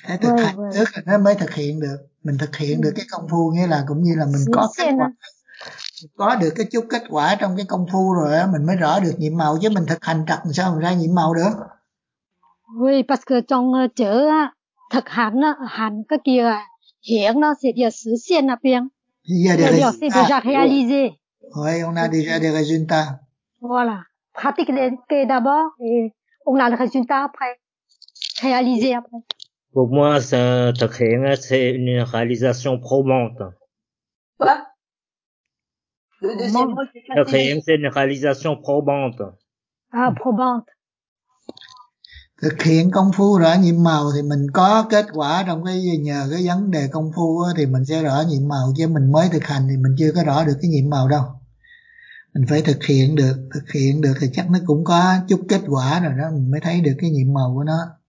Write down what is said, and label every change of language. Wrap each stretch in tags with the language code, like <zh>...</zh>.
<vi>Thực hành trước rồi nó mới thực hiện được. Mình thực hiện được cái công phu nghĩa là cũng như là mình có kết quả, có được cái chút kết quả trong cái công phu rồi mình mới rõ được nhiệm màu, chứ mình thực hành trật sao mình ra nhiệm màu được. Vì parce trong chữ thực hành á, hành cái kia à, hiện nó sẽ được sự hiện à bên. Giờ được rồi. Giờ được rồi.</vi> <fr>Rồi, on a déjà des résultats. Voilà. Pratique d'abord et on a le résultat après, réalisé après. Pour moi, c'est une réalisation probante. Quoi? Le deuxième, c'est une réalisation probante. Ah, probante.</fr> <vi>Thực hiện công phu rõ nhiệm màu thì mình có kết quả trong cái nhờ cái vấn đề công phu thì mình sẽ rõ nhiệm màu, chứ mình mới thực hành thì mình chưa có rõ được cái nhiệm màu đâu. Mình phải thực hiện được thì chắc nó cũng có chút kết quả rồi đó, mình mới thấy được cái nhiệm màu của nó.</vi>